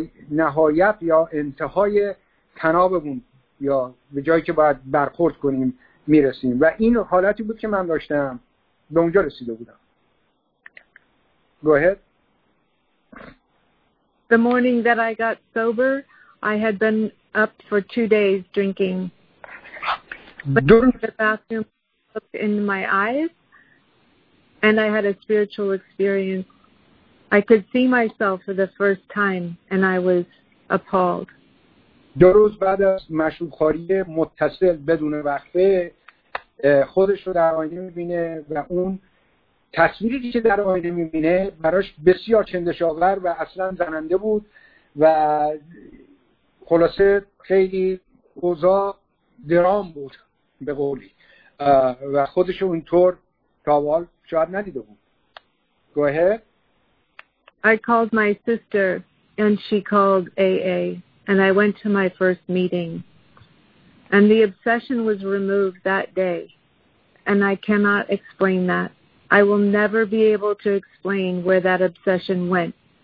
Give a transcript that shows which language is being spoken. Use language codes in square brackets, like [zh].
[fa] نهایت یا انتهای تنابمون یا به جایی که باید برخورد کنیم میرسیم و این حالتی بود که من داشتم به اونجا رسیده بودم. [en] Go ahead. The morning that I got sober, I had been up for 2 days drinking. But in the bathroom, I looked in my eyes, and I had a spiritual experience. I could see myself for the first time, and I was appalled. [fa] 2 روز بعد از مشروب‌خواری متصل بدون وقفه خودش رو در آینه می‌بینه و اون تصویری که در آینه می‌بینه براش بسیار چندش‌آور و اصلا زننده بود و خلاصه خیلی اوضاع درام بود به قولی و خودش اونطور تا حال شاید ندیده بود. [en] Go ahead. I called my sister and she called AA and I went to my first meeting and the obsession was removed that day and I cannot explain that. I will never be able to explain where that obsession went.